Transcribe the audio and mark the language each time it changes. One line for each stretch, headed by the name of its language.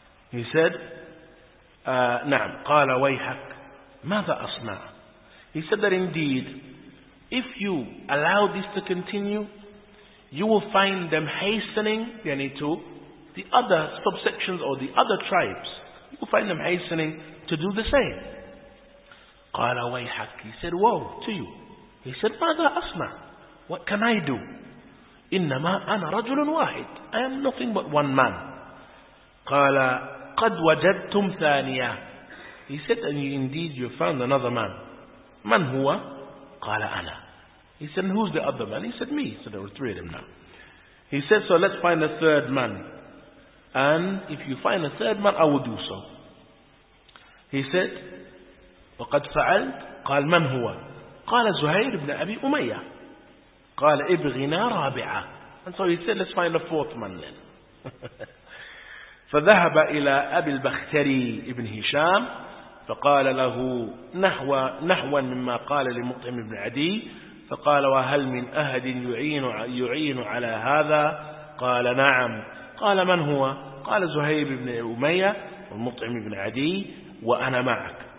English: He said,
Arabic: نعم, قَالَ وَيْحَكْ مَاذَا أَصْنَى.
English: He said that indeed, if you allow this to continue, you will find them hastening, yani to the other subsections or the other tribes, you will find them hastening to do the same.
Arabic: قَالَ وَيْحَكْ.
English: He said, woe to you. He said,
Arabic: مَاذَا أَصْنَى.
English: What can I do?
Arabic: إنما أنا رجل واحد.
English: I am nothing but one man.
Arabic: قال قد وجدتم ثانية.
English: He said, and indeed you found another man.
Arabic: من هو؟ قال أنا.
English: He said, and who's the other man? He said, me. So there were three of them now. He said, so let's find a third man. And if you find a third man, I will do so. He said,
Arabic: وقد فعلت. قال من هو؟ قال زهير بن أبي أمية. قال ابغنا رابعة.
English: And so he said, let's find a fourth man then.
Arabic: فذهب إلى أبي البختري ابن هشام فقال له نحو مما قال لمطعم بن عدي، فقال وهل من أحد يعين على هذا؟ قال نعم. قال من هو؟ قال زهيب بن أمية والمطعم بن عدي وأنا معك.